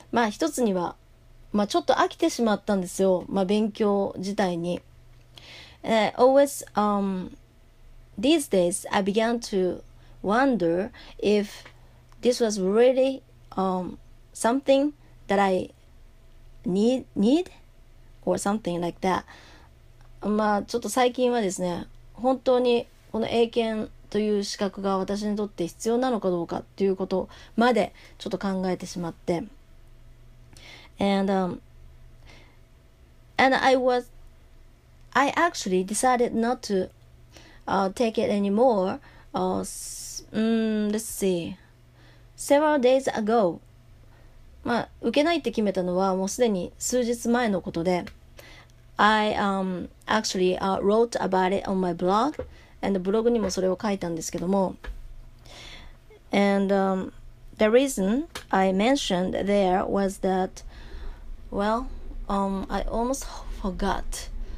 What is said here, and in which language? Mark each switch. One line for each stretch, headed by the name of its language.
Japanese: 一つには、ちょっと飽きてしまったんですよ。勉強自体に。
English: Always, these days, I began to wonder if this was really, something that I need or something like that.
Japanese: ちょっと最近はですね、本当にこの英検という資格が私にとって必要なのかどうかっていうことまでちょっと考えてしまって。
English: And I actually decided not to take it anymore. Let's see. Several days ago.
Japanese: 受けないって決めたのはもうすでに数日前のことで。
English: I actually wrote about it on my blog.
Japanese: And ブログにもそれを書いたんですけども。
English: And the reason I mentioned there was that, I almost forgot.